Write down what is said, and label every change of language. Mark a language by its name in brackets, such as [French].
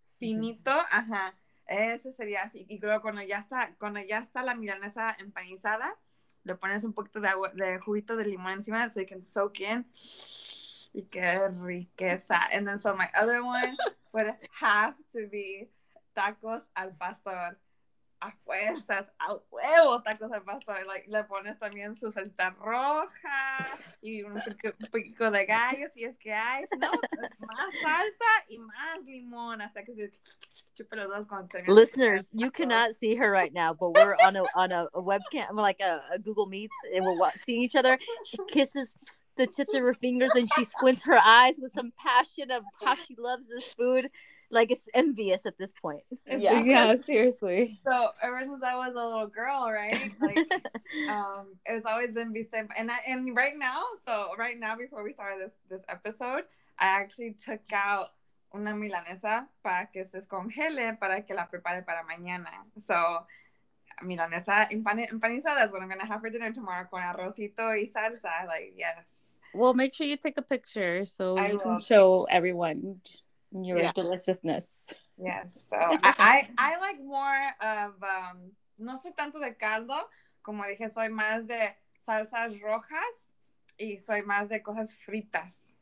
[Spanish] Finito, ajá. Ese sería así. Y creo cuando ya está, la milanesa empanizada, le pones un poquito de agua, de juguito de limón encima [English] so you can soak in. [Spanish] Y qué riqueza. [English] And then so my other one would have to be tacos al pastor. [Spanish] A fuerzas, a huevo, tacos al pastor. Like, le pones también su salsa roja y un pico de gallo, si es que hay. No, más salsa y más limón. Hasta que se chupa los dos cuando termina. [English] Listeners, you cannot see her right now, but we're on a webcam, like a Google Meets, and we're seeing each other. She kisses the tips of her fingers and she squints her eyes with some passion of how she loves this food. Like, it's envious at this point. Yeah, seriously. So, ever since I was a little girl, right? Like, it's always been vista. And right now, before we started this episode, I actually took out [Spanish] una milanesa para que se congele, para que la prepare para mañana. [English] So, milanesa empanizada is what I'm going to have for dinner tomorrow [Spanish] con arrocito y salsa. [English] Like, yes. Well, make sure you take a picture so you can show everyone your deliciousness. Yes. So I like more of [Spanish] no soy tanto de caldo, como dije, soy más de salsas rojas y soy más de cosas fritas.